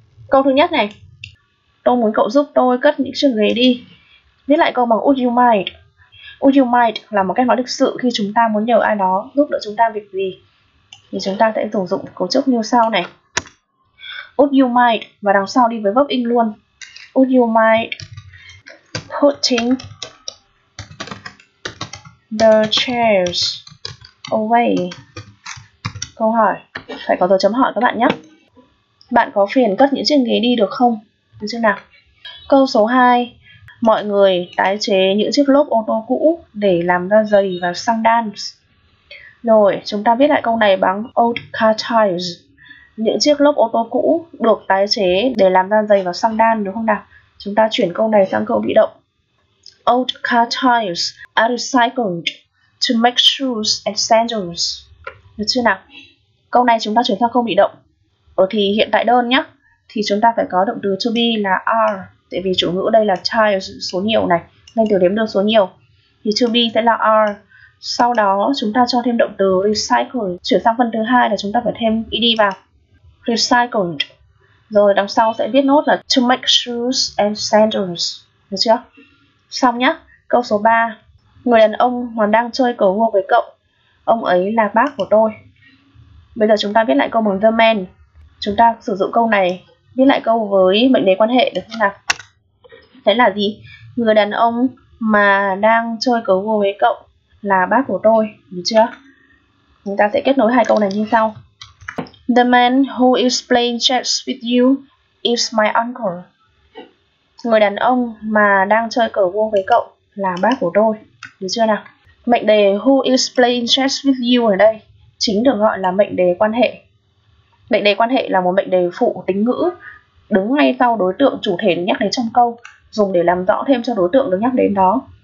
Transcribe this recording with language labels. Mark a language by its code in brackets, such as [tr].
[vi] Câu thứ nhất này, tôi muốn cậu giúp tôi cất những chiếc ghế đi. Viết lại câu bằng [en] would you mind. Would you mind [vi] là một cách nói lịch sự khi chúng ta muốn nhờ ai đó giúp đỡ chúng ta việc gì. Thì chúng ta sẽ sử dụng cấu trúc như sau này. [en] Would you mind [vi] và đằng sau đi với [en] verb in [vi] luôn. [en] Would you mind putting the chairs away? [vi] Câu hỏi, phải có dấu chấm hỏi các bạn nhé. Bạn có phiền cất những chiếc ghế đi được không? Được chưa nào? Câu số 2. Mọi người tái chế những chiếc lốp ô tô cũ để làm ra giày và xăng đan. Rồi, chúng ta viết lại câu này bằng [en] old car tires. [vi] Những chiếc lốp ô tô cũ được tái chế để làm ra giày và xăng đan đúng không nào? Chúng ta chuyển câu này sang câu bị động. [en] Old car tires are recycled to make shoes and sandals. [vi] Được chưa nào? Câu này chúng ta chuyển sang câu bị động. Ở thì hiện tại đơn nhé, thì chúng ta phải có động từ to be là are. Tại vì chủ ngữ đây là tires, số nhiều này, nên từ đếm được số nhiều thì to be sẽ là are. Sau đó chúng ta cho thêm động từ recycle. Chuyển sang phần thứ hai là chúng ta phải thêm ed vào, recycled. Rồi đằng sau sẽ viết nốt là [en] to make shoes and sandals. [vi] Được chưa? Xong nhé. Câu số 3. Người đàn ông còn đang chơi cờ vua với cậu. Ông ấy là bác của tôi. Bây giờ chúng ta viết lại câu bằng [en] the man. [vi] Chúng ta sử dụng câu này viết lại câu với mệnh đề quan hệ được không nào? Thế là gì? Người đàn ông mà đang chơi cờ vua với cậu là bác của tôi, được chưa? Chúng ta sẽ kết nối hai câu này như sau. [en] The man who is playing chess with you is my uncle. [vi] Người đàn ông mà đang chơi cờ vua với cậu là bác của tôi, được chưa nào? Mệnh đề [en] who is playing chess with you [vi] ở đây chính được gọi là mệnh đề quan hệ. Mệnh đề quan hệ là một mệnh đề phụ tính ngữ đứng ngay sau đối tượng chủ thể được nhắc đến trong câu, dùng để làm rõ thêm cho đối tượng được nhắc đến đó.